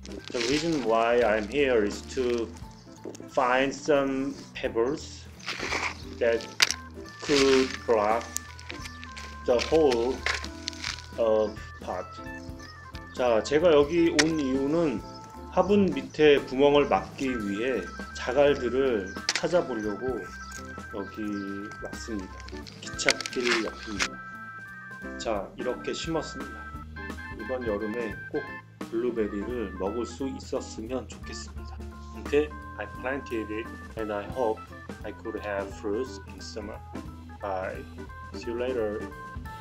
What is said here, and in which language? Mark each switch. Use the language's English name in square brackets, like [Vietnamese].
[English] The reason why I'm here is to find some pebbles that could block the hole of pot. [Korean] 자, 제가 여기 온 이유는 화분 밑에 구멍을 막기 위해 자갈들을 찾아보려고 여기 왔습니다. 기찻길 옆입니다. 자, 이렇게 심었습니다. 이번 여름에 꼭 블루베리를 먹을 수 있었으면 좋겠습니다. [English] Okay, I planted it and I hope I could have fruits in summer. Bye. See you later.